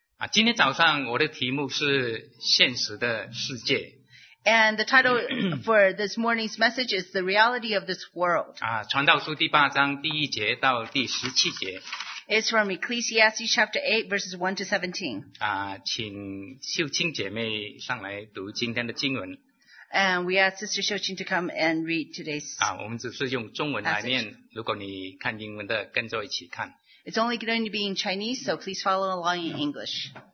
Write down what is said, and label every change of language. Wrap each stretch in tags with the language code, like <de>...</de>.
<zh>今天早上我的题目是现实的世界。</zh> <en>And the title for this morning's message is The Reality of This World.</en> <zh>传道书第八章第一节到第十七节。</zh> <en>It's from Ecclesiastes chapter 8, verses 1 to 17.</en> <zh>请秀清姐妹上来读今天的经文。</zh> <en>And we ask Sister Xiu Qing to come and read today's passage.</en> <zh>我们只是用中文来念，如果你看英文的，跟着一起看。</zh> <en>It's only going to be in Chinese, so please follow along in English.</en>